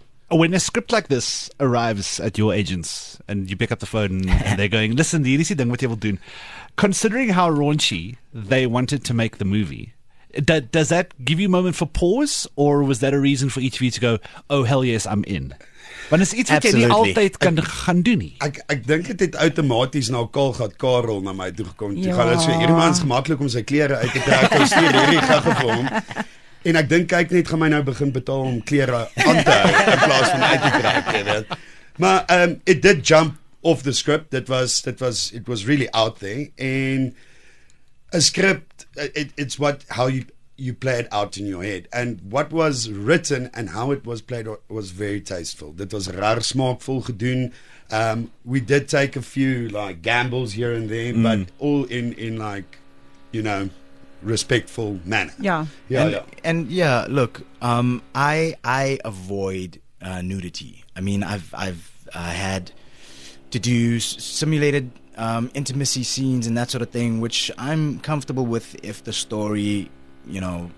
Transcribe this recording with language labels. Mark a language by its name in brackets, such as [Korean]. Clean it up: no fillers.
[English] When a script like this arrives at your agents and you pick up the phone and they're going, listen, the easy thing, what you will do, considering how raunchy they wanted to make the movie, does that give you a moment for pause, or was that a reason for each of you to go, oh, hell yes, I'm in? [Afrikaans] Want is iets wat jy nie altyd kan gaan doen nie. Ek dink dit het outomaties na Kaalgat Karel na my toe gekom. Toe gaan dit so, hierdie man is gemaklik om sy klere uit te trek, hy stuur hierdie gaffe vir hom. En ek dink, kyk net, gaan my nou begin betaal om klere aan te hou in plaas van uit te trek. [English] Maar it did jump off the script. It was really out there. En a script, it's what, how you play it out in your head. And what was written and how it was played was very tasteful. [Afrikaans] Dit was raar smaakvol gedoen. [English] We did take a few like gambles here and there, but all in like, you know, respectful manner. Look, I avoid nudity. I mean, I've had to do simulated intimacy scenes and that sort of thing, which I'm comfortable with if the story, you know,